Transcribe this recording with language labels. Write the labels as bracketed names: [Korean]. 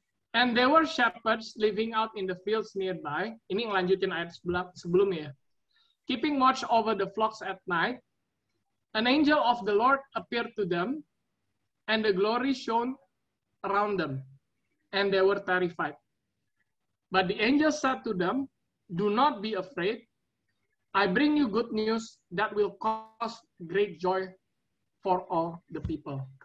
[English] And there were shepherds living out in the fields nearby. [Indonesian] Ini ngelanjutin ayat sebelumnya. [English] Keeping watch over the flocks at night, an angel of the Lord appeared to them, and the glory shone around them, and they were terrified. But the angel said to them, do not be afraid. I bring you good news that will cause great joy for all the people.